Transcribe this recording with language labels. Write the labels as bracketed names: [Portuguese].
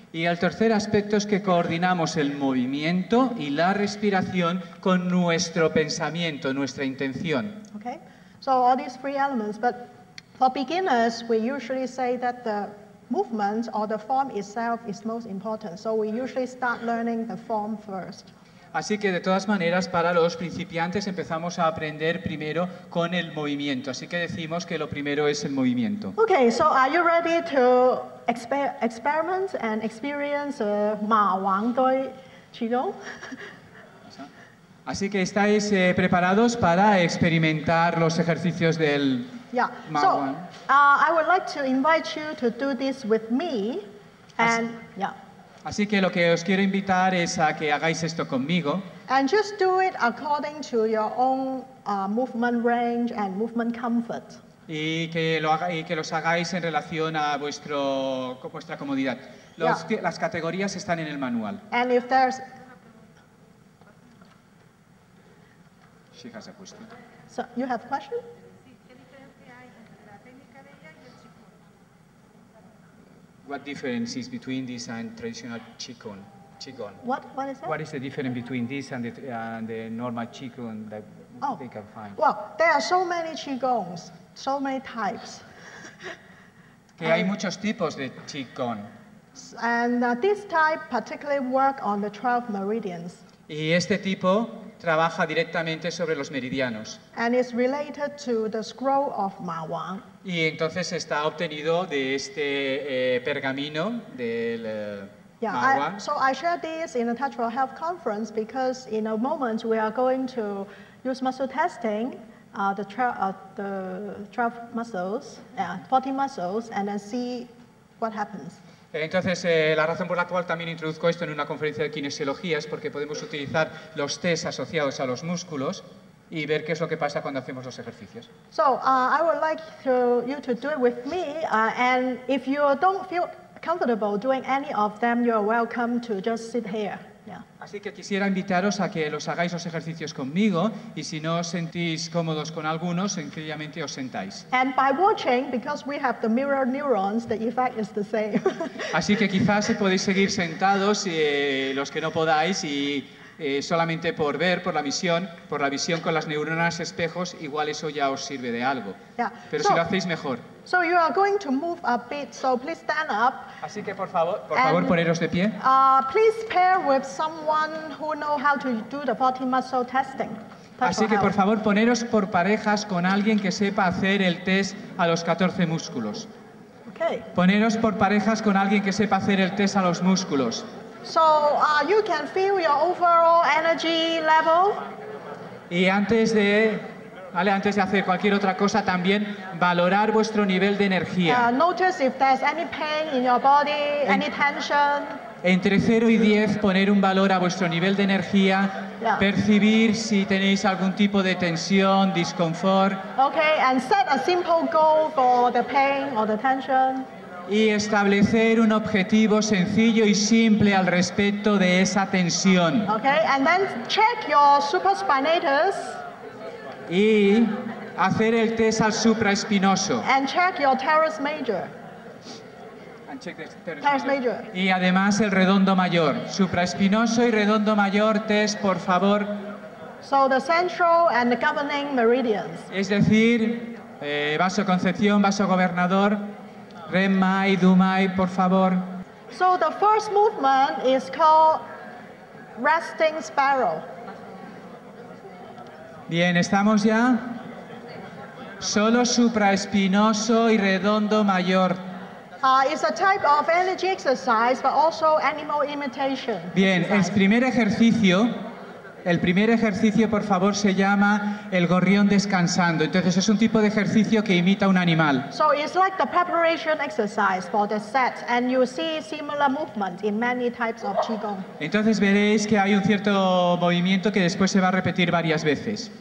[Spanish] Y el tercer aspecto es que coordinamos el movimiento y la respiración con nuestro pensamiento, nuestra intención. [English] Okay, so all these three elements, but for beginners, we usually say that the movement or the form itself is most important. So we usually start learning the form first. [Spanish] Así que de todas maneras, para los principiantes empezamos a aprender primero con el movimiento. Así que decimos que lo primero es el movimiento. [English] Okay, so are you ready to experiment and experience Ma Wang Doi Qigong? [Spanish] Así que estáis preparados para experimentar los ejercicios del Ma Wang. [English] Yeah. So, I would like to invite you to do this with me and [Spanish] Así que lo que os quiero invitar es a que hagáis esto conmigo. [English] And just do it according to your own movement range and movement comfort. [Spanish] Y que los hagáis en relación a vuestra comodidad. Las categorías están en el manual. [English] And if there's... She has a question. So, you have a question? What difference is between this and traditional qigong? What is that? What is the difference between this and the normal qigong that they can find? Well, there are so many qigongs, so many types. [Spanish] Que hay muchos tipos de qigong. [English] And this type particularly work on the 12 meridians. [Spanish] Y este tipo trabaja directamente sobre los meridianos. [English] And it's related to the scroll of Ma Wang. [Spanish] Y entonces está obtenido de este pergamino del Ma Wang. [English] So I share this in a Touch for Health conference because in a moment we are going to use muscle testing the 12 muscles, 40 muscles, and then see what happens. [Spanish] Entonces, la razón por la cual también introduzco esto en una conferencia de kinesiología es porque podemos utilizar los tests asociados a los músculos y ver qué es lo que pasa cuando hacemos los ejercicios. [English] So, I would like you to do it with me, and if you don't feel comfortable doing any of them, you're welcome to just sit here. Yeah. [Spanish] Así que quisiera invitaros a que los hagáis los ejercicios conmigo, y si no os sentís cómodos con algunos, sencillamente os sentáis. [English] And by watching, because we have the mirror neurons, the effect is the same. [Spanish] Así que quizás podéis seguir sentados, los que no podáis, y solamente por ver, por la visión con las neuronas espejos, igual eso ya os sirve de algo. [English] Yeah. [Spanish] Pero si lo hacéis mejor. [English] So you are going to move a bit, so please stand up. [Spanish] Así que por favor, poneros de pie. [English] Please pair with someone who knows how to do the 40 muscle testing. [Spanish] Así que por favor, poneros por parejas con alguien que sepa hacer el test a los 14 músculos. [English] Okay. [Spanish] Poneros por parejas con alguien que sepa hacer el test a los músculos. [English] So you can feel your overall energy level. [Spanish] Y antes de hacer cualquier otra cosa, también valorar vuestro nivel de energía. [English] Notice if there's any pain in your body, any tension. [Spanish] Entre 0 y 10, poner un valor a vuestro nivel de energía. [English] Yeah. [Spanish] Percibir si tenéis algún tipo de tensión, disconfort. [English] Okay, and set a simple goal for the pain or the tension. [Spanish] Y establecer un objetivo sencillo y simple al respecto de esa tensión. [English] Okay, and then check your supraspinatus. [Spanish] Y hacer el test al supraespinoso. [English] And check your teres major. And check the teres major. [Spanish] Y además el redondo mayor. Supraespinoso y redondo mayor, test, por favor. [English] So the central and the governing meridians. [Spanish] Es decir, vaso concepción, vaso gobernador. Remai, Dumai, por favor. [English] So the first movement is called resting sparrow. [Spanish] Bien, ¿estamos ya? Solo supraespinoso y redondo mayor. [English] It's a type of energy exercise, but also animal imitation. [Spanish] Bien, [English] exercise. [Spanish] El primer ejercicio El primer ejercicio, por favor, se llama el gorrión descansando. Entonces, es un tipo de ejercicio que imita un animal. [English] So it's like the preparation exercise for the set, and you see similar movement in many types of qigong. [Spanish] Entonces veréis que hay un cierto movimiento que después se va a repetir varias veces.